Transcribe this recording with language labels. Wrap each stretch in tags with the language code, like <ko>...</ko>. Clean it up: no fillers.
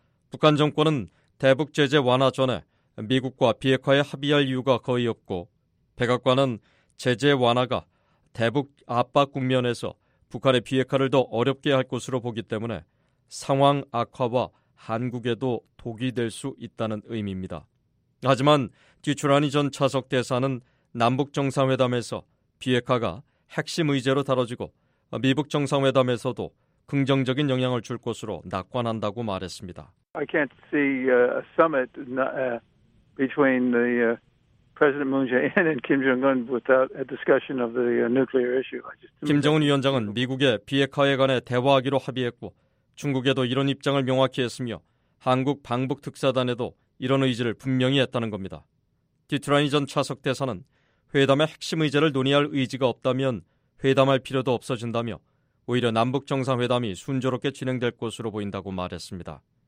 <ko>북한 정권은 대북 제재 완화 전에 미국과 비핵화에 합의할 이유가 거의 없고 백악관은 제재 완화가 대북 압박 국면에서 북한의 비핵화를 더 어렵게 할 것으로 보기 때문에 상황 악화와 한국에도 독이 될 수 있다는 의미입니다. 하지만 듀추라니 전 차석 대사는 남북정상회담에서 비핵화가 핵심 의제로 다뤄지고 미북정상회담에서도 긍정적인 영향을 줄 것으로 낙관한다고 말했습니다.</ko> <en>I can't see a summit between the President Moon Jae-in and Kim Jong-un without a discussion of the nuclear issue.</en> <ko>김정은 위원장은 미국의 비핵화에 관해 대화하기로 합의했고 중국에도 이런 입장을 명확히 했으며 한국 방북특사단에도 이런 의지를 분명히 했다는 겁니다. 디트라니 전 차석 대사는 회담의 핵심 의제를 논의할 의지가 없다면 회담할 필요도 없어진다며 오히려 남북정상회담이 순조롭게 진행될 것으로 보인다고 말했습니다.</ko>